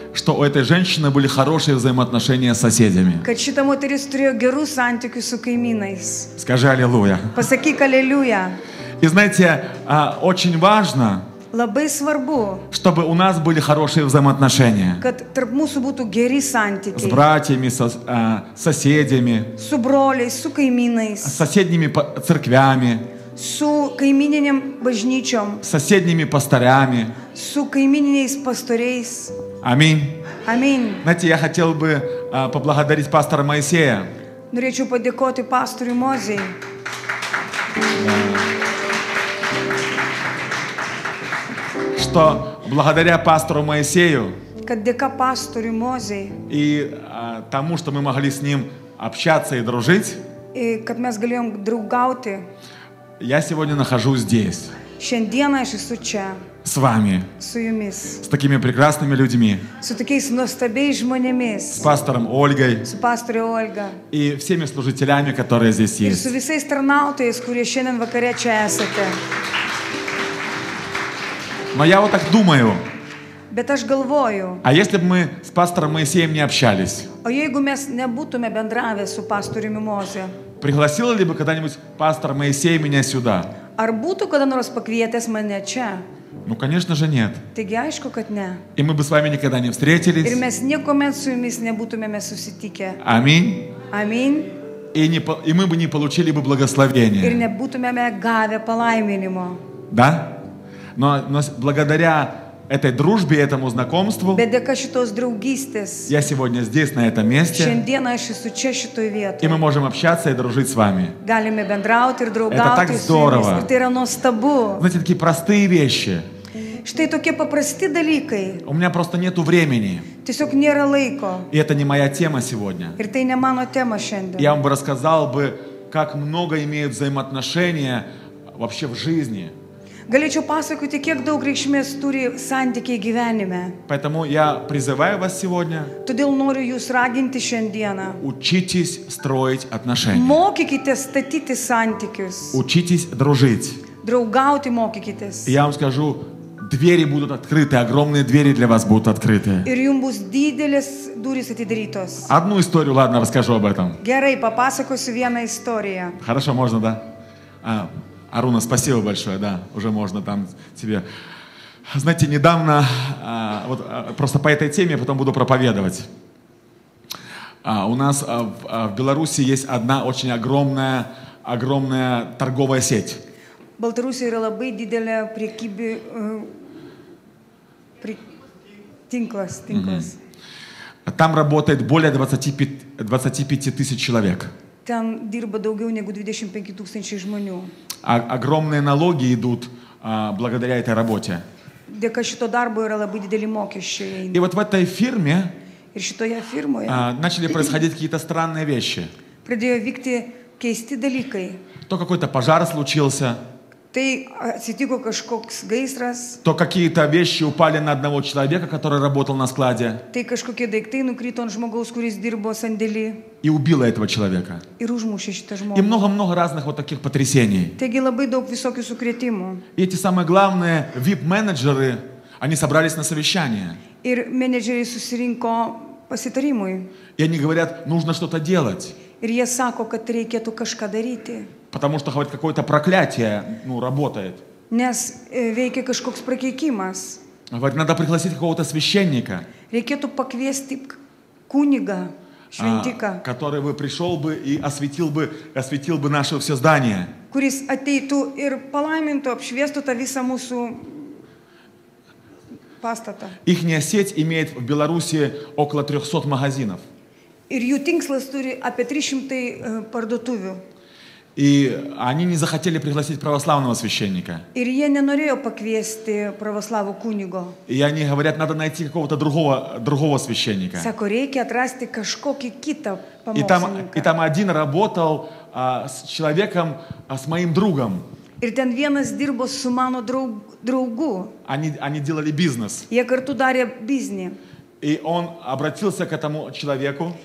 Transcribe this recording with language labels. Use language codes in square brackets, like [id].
[ru] Что у этой женщины были хорошие взаимоотношения с соседями? [lt] Качита моторис трио геру сантику су кайминайс. [ru] Скажи аллилуйя. [lt] Пасаки калелюя. [ru] И знаете, очень важно. [lt] Labai svarbu, [ru] чтобы у нас были хорошие взаимоотношения. [lt] Kad tarp mūsų būtų geri santykiai. [ru] С братьями, с соседями. [lt] Su broliais, su kaimynais. [ru] С соседними церквями. [lt] Su kaimyninėm bažnyčiom. [ru] С соседними пастырями. [lt] Su kaimyniniais pastoriais. [ru] Аминь. [lt] Аминь. [ru] Знаете, я хотел бы поблагодарить пастора Моисея. [lt] Norėčiau padėkoti pastoriui Mozei. [ru] Что благодаря пастору Моисею [lt] пастору Мозе, [ru] и тому, что мы могли с ним общаться и дружить, и, как мы с другауты, я сегодня нахожусь здесь. [lt] Šiandieną aš esu čia. [ru] С вами. [lt] Su jumis. [ru] С такими прекрасными людьми. [lt] Su tokiais nuostabiais žmonėmis. [ru] С пастором Ольгой. [lt] Su pastore Olga. [ru] И всеми служителями, которые здесь есть. [lt] Ir su visais tarnautojais, kurie šiandien vakare čia esate. [ru] Но я вот так думаю. [lt] Bet aš galvoju. [ru] А если бы мы с пастором Моисеем не общались? [lt] O jeigu mes nebūtume bendravę su pastoriumi Moze? [ru] Пригласил ли бы когда-нибудь пастор Моисей меня сюда? [lt] Ar būtų kada nors pakvietęs mane čia? [ru] Ну, конечно же, нет. [lt] Taigi, aišku, kad ne. [ru] И мы бы с вами никогда не встретились. [lt] Ir mes niekuomet su jumis nebūtumėme susitikę. [ru] Аминь. [lt] Аминь. [ru] И мы бы не получили бы благословения. [lt] Ir nebūtumėme gavę palaiminimo. [ru] Да? Но благодаря этой дружбе, этому знакомству, [lt] bet dėka šitos draugystės, [ru] я сегодня здесь, на этом месте. [lt] Šiandieną aš esu čia, šitoj vietoj. [ru] И мы можем общаться и дружить с вами. [lt] Galime bendrauti ir draugauti. [ru] Это так здорово. [lt] Tai yra nuostabu. [ru] Знаете, такие простые вещи. [lt] Štai tokie paprasti dalykai. [ru] У меня просто нету времени. [lt] Tiesiog nėra laiko. [ru] И это не моя тема сегодня. [lt] Ir tai ne mano tema šiandien. [ru] Я вам бы рассказал бы, как много имеют взаимоотношения вообще в жизни. [lt] Galėčiau pasakyti, kiek daug reikšmės turi santykiai gyvenime. [ru] Поэтому я призываю вас сегодня. [lt] Todėl noriu jūs raginti šiandieną. [ru] Учитесь строить отношения. [lt] Mokykitės statyti santykius. [ru] Учитесь дружить. [lt] Draugauti mokykitės. [ru] Я вам скажу, двери будут открыты, огромные двери для вас будут открыты. [lt] Ir jums bus didelės durys atidarytos. [ru] Одну историю, ладно, расскажу об этом. [lt] Gerai, papasakosiu vieną istoriją. [ru] Хорошо, можно, да? Аруна, спасибо большое, да, уже можно там тебе. Знаете, недавно, вот просто по этой теме я потом буду проповедовать. У нас в Беларуси есть одна очень огромная, огромная торговая сеть. В Беларуси есть очень большая прикиби... [lt] Тинклас, тинклас. [ru] Там работает более 25 тысяч человек. Там [lt] dirba daugiau negu 25 tūkstančių žmonių. [ru] Огромные налоги идут благодаря этой работе. [lt] Dėka šito darbo yra labai dideli mokesčiai. [ru] И вот в этой фирме [lt] ir šitoje firmoje, [ru] начали происходить какие-то странные вещи. [lt] Pradėjo vykti keisti dalykai. [ru] То какой-то пожар случился. [lt] Tai atsitiko kažkoks gaisras. [ru] То какие-то вещи упали на одного человека, который работал на складе. [lt] Tai kažkokie daiktai nukrito ant žmogaus, kuris dirbo sandėly. [ru] И убило этого человека. [lt] Ir užmušė šitą žmogų. [ru] И много-много разных вот таких потрясений. [lt] Taigi labai daug visokių sukrėtimų. [ru] И эти самые главные VIP-менеджеры, они собрались на совещание. [lt] Ir менеджеры susirinko pasitarimui. [ru] И они говорят, нужно что-то делать. [lt] Ir jie sako, kad reikėtų kažką daryti. [ru] Потому что хоть какое-то проклятие, ну, работает. [lt] Nes veikia kažkoks prakeikimas. [ru] Говорит, надо пригласить какого-то священника. [lt] Reikėtų pakviesti kunigą, šventiką. [ru] Который бы пришел бы и осветил бы наше все здание. [lt] Kuris ateitų ir palaimintų, apšviestų tą visą mūsų pastatą. [ru] Ихняя сеть имеет в Беларуси около 300 магазинов. [lt] Ir jų tinkslas turi apie 300 parduotuvių. [ru] И они не захотели пригласить православного священника. [lt] Ir jie nenorėjo pakviesti pravoslavų kunigo. [ru] И они говорят, надо найти какого-то другого священника. [lt] Sako, reikia atrasti kažkokį kitą pamokslininką. [ru] И там один работал с человеком, с моим другом. [lt] Ir ten vienas dirbo su mano draugu. [ru] Они делали бизнес. [lt] Jie kartu darė biznį. [ru] И он обратился к этому человеку.